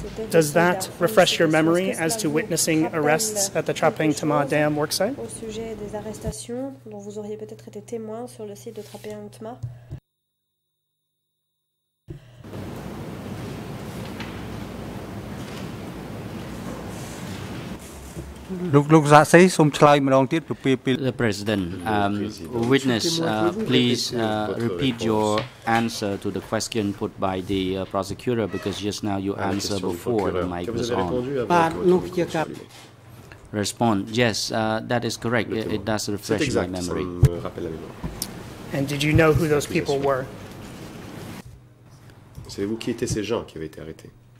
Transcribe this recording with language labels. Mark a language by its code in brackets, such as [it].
[en] Does that refresh your memory as to witnessing arrests at the Trapang Tama Dam worksite? [fr] Au sujet des arrestations dont vous auriez peut-être été témoin sur le site de Trapang Tama. [en] The President, witness, please repeat your answer to the question put by the prosecutor, because just now you answered before the mic was on. Respond, yes, that is correct. It does refresh my memory. And did you know who those people were? [fr] Savez-vous qui étaient ces gens qui avaient été arrêtés?